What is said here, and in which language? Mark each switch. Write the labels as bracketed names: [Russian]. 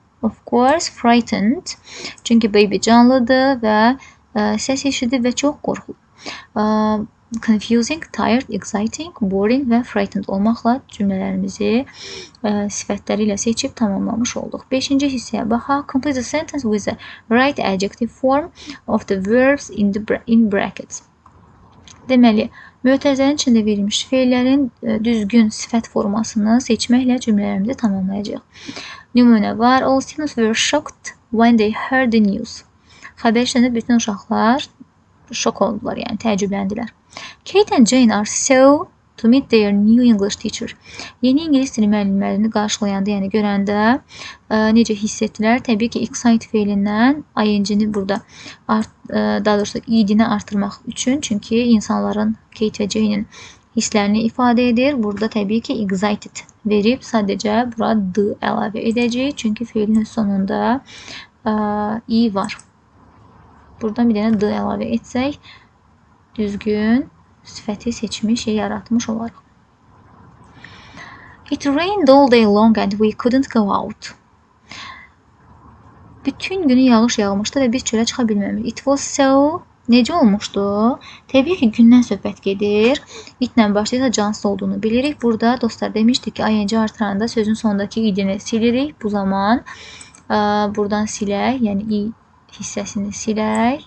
[English] Of course, frightened. [Azerbaijani] Çünki baby canlıdır və səs eşidir və çox qorxulur. Confusing, tired, exciting, boring və frightened olmaqla cümlələrimizi sifətləri ilə seçib tamamlamış olduq. Beşinci hissəyə baxaq. [English] Complete the sentence with the right adjective form of the verbs in the in brackets. [Azerbaijani] Deməli, mötərizənin içində verilmiş feillərin düzgün sifət formasını seçməklə cümlələrimizi tamamlayacaq. Nümunə var. [English] All students were shocked when they heard the news. [Azerbaijani] Xəbər işlənir, bütün uşaqlar şok oldular, yəni təəccübləndilər. [English] Kate and Jane are so to meet their new English teacher. [Azerbaijani] Yeni ingilis dili müəllimlərini qarşılayanda, yəni görəndə necə hiss etdilər? Təbii ki, excite feilindən ing-ni burada, daha doğrusu id-ni artırmaq üçün. Çünki insanların, Kate və Jane'in hisslərini ifadə edir. Burada təbii ki, excited verib sadəcə bura d əlavə edəcək. Çünki feilin sonunda i var. Buradan bir dənə d əlavə etsək, düzgün sifəti seçmiş, şey yaratmış olarak. [English] It rained all day long and we couldn't go out. [Azerbaijani] Bütün günü yağış yağmışdı və biz çölə çıxa bilməmişdik. [English] It was so [Azerbaijani] Necə olmuşdu? Təbii ki, gündən söhbət gedir. İtlə başlayırsa cansız olduğunu bilirik. Burada dostlar demişdi ki, ing artıranda sözün sonundakı idini silirik. Bu zaman buradan silək, yəni i hissəsini silək.